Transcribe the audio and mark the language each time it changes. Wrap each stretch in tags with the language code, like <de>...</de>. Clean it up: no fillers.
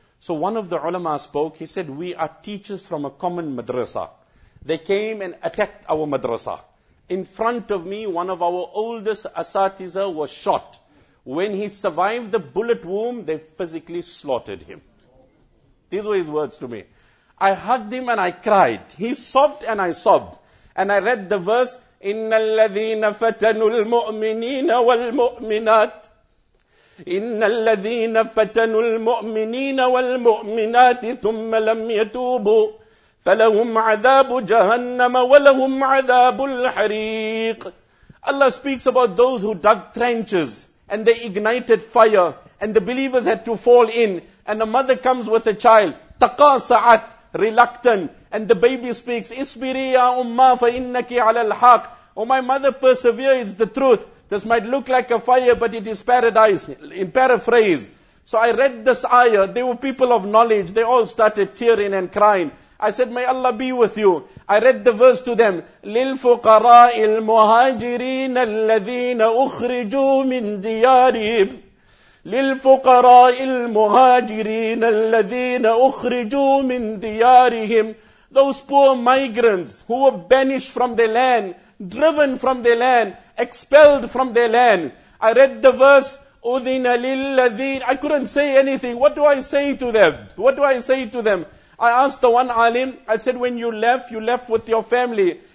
<en>So one of the ulama spoke, he said, we are teachers from a common madrasa. They came and attacked our madrasa. In front of me, one of our oldest asatiza was shot. When he survived the bullet wound, they physically slaughtered him. These were his words to me. I hugged him and I cried. He sobbed and I sobbed. And I read the verse,</en> <ar>إِنَّ الَّذِينَ فَتَنُوا الْمُؤْمِنِينَ وَالْمُؤْمِنَاتِ إِنَّ الَّذِينَ فَتَنُوا الْمُؤْمِنِينَ وَالْمُؤْمِنَاتِ ثُمَّ لَمْ يَتُوبُوا فَلَهُمْ عَذَابُ جَهَنَّمَ وَلَهُمْ عَذَابُ الْحَرِيقِ.</ar> <en>Allah speaks about those who dug trenches and they ignited fire and the believers had to fall in and a mother comes with a child. تقاسعت, reluctant. And the baby speaks,</en> <ar>اسبري يا أمّا فإنك على الحق.</ar> <en>Oh, my mother, persevere, it's the truth. This might look like a fire, but it is paradise. In paraphrase. So I read this ayah. They were people of knowledge. They all started tearing and crying. I said, may Allah be with you. I read the verse to them.</en> <ar>للفقراء المهاجرين الذين أخرجوا من ديارهم للفقراء المهاجرين الذين أخرجوا من ديارهم.</ar> <en>Those poor migrants who were banished from their land, driven from their land, expelled from their land. I read the verse,</en> <ar>أذن للذين.</ar> <en>I couldn't say anything. What do I say to them? What do I say to them? I asked the one alim, I said, when you left with your family.</en>